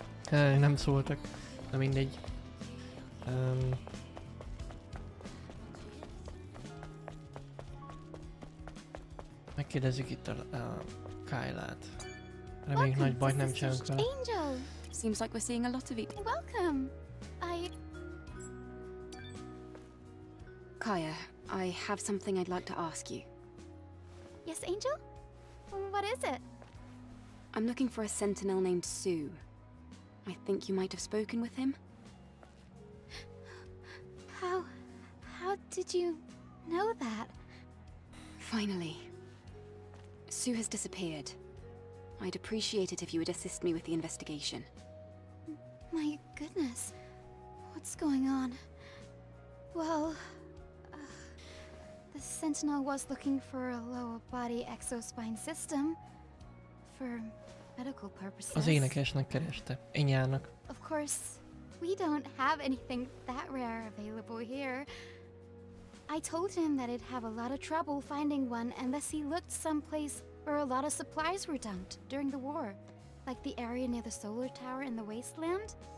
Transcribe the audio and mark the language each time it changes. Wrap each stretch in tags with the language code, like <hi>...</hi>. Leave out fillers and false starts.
<hu>Nem szóltak, de mindegy. Megkérdezzük itt a Kyle-t. Reméljük nagy bajt nem csinálunk vele.</hu> <en>Angel! Seems like we're seeing a lot of it. Welcome! Kaya, I have something I'd like to ask you. Yes, Angel? What is it? I'm looking for a sentinel named Sue. I think you might have spoken with him. How did you know that? Finally. Sue has disappeared. I'd appreciate it if you would assist me with the investigation. My goodness. What's going on? Well, the Sentinel was looking for a lower body exospine system for medical purposes.</en> <hu>Az énekesnek kereste, Enyának.</hu> <en>Of course, we don't have anything that rare available here. I told him that I'd have a lot of trouble finding one unless he looked someplace where a lot of supplies were dumped during the war, like the area near the solar tower in the wasteland.</en>